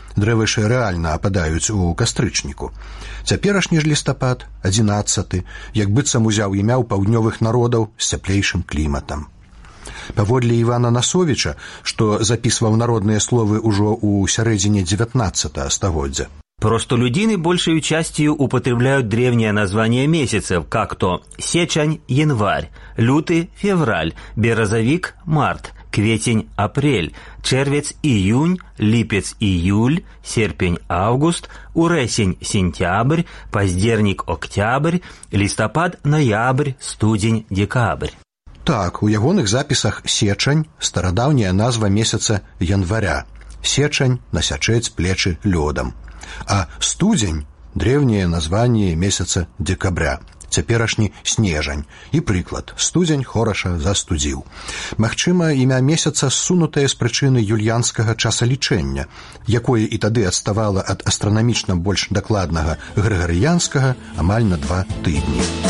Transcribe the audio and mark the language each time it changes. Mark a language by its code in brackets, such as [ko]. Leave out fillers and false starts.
[be] Дрэвы ж рэальна ападаюць у кастрычніку. Цяперашні ж лістапад, 11-ы, як быццам узяў імя ў паўднёвых народаў з цяплейшым кліматам. Паводле Івана Насовіча, што запісваў народныя словы ўжо ў сярэдзіне 19-га стагоддзя. [ru] Просто людзіны большаю часцію употребляюць древнія названія месяцев, как то сечань – январь, люты – февраль, березавік – март, квецень – апрель, чэрвец – июнь, ліпец – июль, серпень – август, урэсень – сентябрь, паздзернік – октябрь, лістапад – ноябрь, студзень – декабрь. [be] Так, у ягоных запісах сечань – старадаўняя назва месяца января. Сечань – насячэць плечы лёдам. А студзень – древняе названне месяца декабря, цяперашні снежань. І прыклад – студзень хораша застудзіў. Магчыма, імя месяца ссунутае з прычыны юльянскага часалічэння, якое і тады адставала ад астранамічна больш дакладнага грэгарыянскага амаль на 2 тыдні.